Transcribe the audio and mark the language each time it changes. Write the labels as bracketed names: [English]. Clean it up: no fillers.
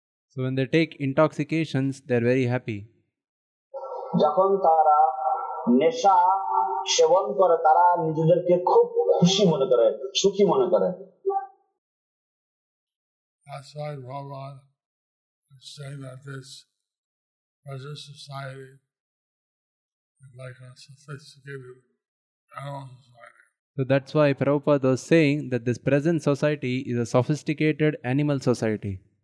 [English] So when they take intoxications, they're very happy. [Bangla] যখন তারা নেশা সেবন করে তারা নিজেদেরকে খুব খুশি মনে করে, সুখী মনে করে। [English] That's why Prabhupada is saying that this present society is like a sophisticated animal society. So that's why Prabhupada was saying that this present society is a sophisticated animal society.